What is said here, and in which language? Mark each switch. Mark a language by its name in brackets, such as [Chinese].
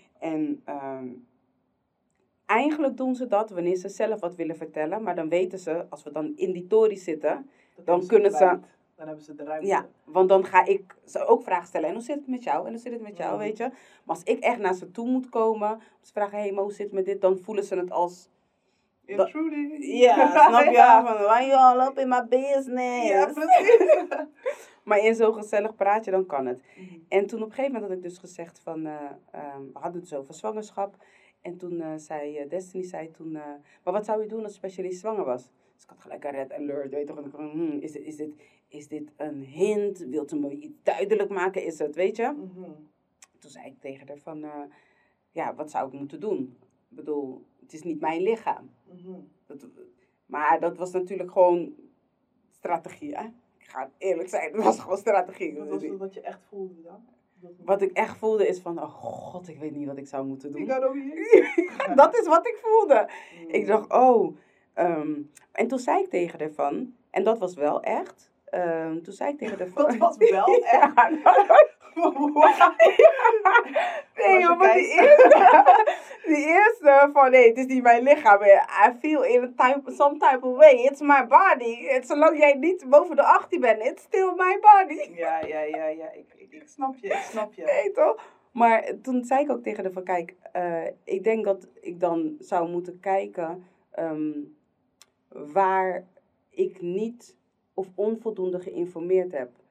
[Dutch] En eigenlijk doen ze dat wanneer ze zelf wat willen vertellen. Maar dan weten ze, als we dan in die Tori zitten, dan kunnen ze... Dan hebben ze de ruimte. Ja, want dan ga ik ze ook vragen stellen. En hoe zit het met jou? En hoe zit het met jou, weet je? Maar als ik echt naar ze toe moet komen, ze vragen, hé, maar hoe zit het met dit? Dan voelen ze het als... [English] Intruding. [Dutch] Ja, snap je? [English] Van, why are you all up in my business? [Dutch] Ja, precies. Maar in zo'n gezellig praatje, dan kan het. Mm-hmm. En toen op een gegeven moment had ik dus gezegd van, we hadden het zo van zwangerschap. En toen zei Destiny, wat zou je doen als specialist zwanger was? Dus ik had gelijk een red alert, weet je toch? Is dit een hint? Wilt ze me iets duidelijk maken? Is het, weet je? Mm-hmm. Toen zei ik tegen haar van, wat zou ik moeten doen? Ik bedoel, het is niet mijn lichaam. Mm-hmm. Maar dat was natuurlijk gewoon strategie, hè? Ik ga eerlijk zijn, het was gewoon strategie. Wat was het wat je echt voelde dan? Wat ik echt voelde is van, oh god, ik weet niet wat ik zou moeten doen. Ik ga over hier. Dat is wat ik voelde. Mm. Ik dacht, oh. En toen zei ik tegen haar van, en dat was wel echt. Toen zei ik tegen haar van. Dat was wel echt? Nee, joh, maar die eerste van, nee, het is niet mijn lichaam. [English] I feel in a type, some type of way. It's my body. [Dutch] En zolang jij niet boven de 18 bent, [English] it's still my body. [Dutch] Ja. Ik snap je. Nee, toch? Maar toen zei ik ook tegen haar van, kijk, ik denk dat ik dan zou moeten kijken waar ik niet of onvoldoende geïnformeerd heb.